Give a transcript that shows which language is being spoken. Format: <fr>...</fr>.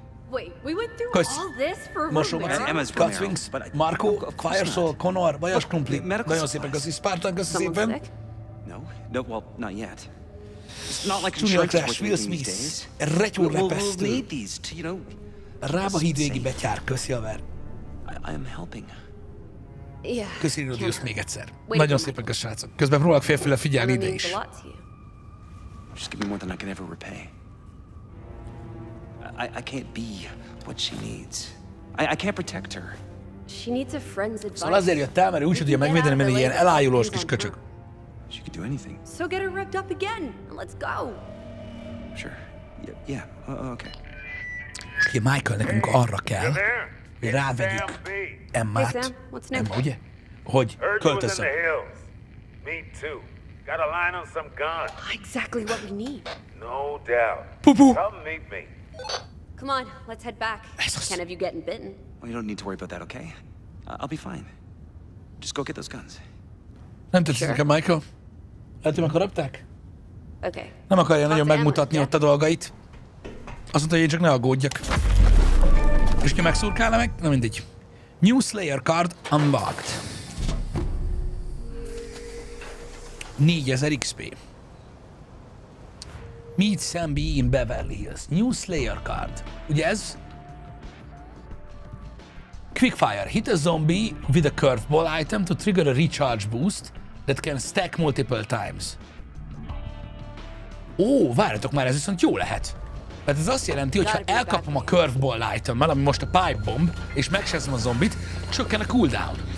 <en>Wait, we went through all this for a room, Gutswings, Marco, Firesol, Connor, Bajas Krumpli.</en> <hu>Nagyon szépen, köszi Spartan, köszi szépen.</hu> <en>No, no, well, not yet.</en> <hu>Junior Crash, Will Smith, retyúr repesztő. Rába hídvégi betyár, köszi a ver.</hu> <en>I am helping. Yeah.</en> <hu>Köszönjük, hogy jössz még egyszer. Wait, nagyon szépen kösz, srácok. Közben próbálok félfüle figyelni ide is.</hu> <en>Just give me more than I can ever repay. I can't be what she needs. I can't protect her. She needs a friend's advice.</en> <hu>Szóval azért jött el, mert úgy tudja megvédeni, mint egy ilyen elájulós kis köcsök.</hu> <en>She could do anything. So get her revved up again, and let's go. Sure. Yeah, okay.</en> <hu>Most ugye Michael, nekünk arra kell, hogy rávegyük Emmát. Emma, ugye? Hogy költözzön.</hu> <en>Me too. Got a line on some gun. Exactly what we need. No doubt. Pupu. Come meet me. Come on, let's head back. Can't have you getting bitten. Well, you don't need to worry about that, okay? I'll be fine. Just go get those guns.</en> <hu>Nem tetszik nekem, Michael. Lehet, hogy megharapták?</hu> <en>Okay.</en> <hu>Nem akarja nagyon megmutatni ott a dolgait. Azt mondta, hogy én csak ne aggódjak. És ki megszurkálna meg? Na mindegy.</hu> <en>New Slayer card unlocked. 4000 XP. Meet Sam B in Beverly Hills. New Slayer card.</en> <hu>Ugye ez?</hu> <en>Quickfire. Hit a zombie with a curveball item to trigger a recharge boost that can stack multiple times.</en> <hu>Ó, várjatok már, ez viszont jó lehet. Mert ez azt jelenti, hogy ha elkapom a curveball item-mel, ami most a pipe bomb, és megsezzem a zombit, csökken a cooldown.</hu>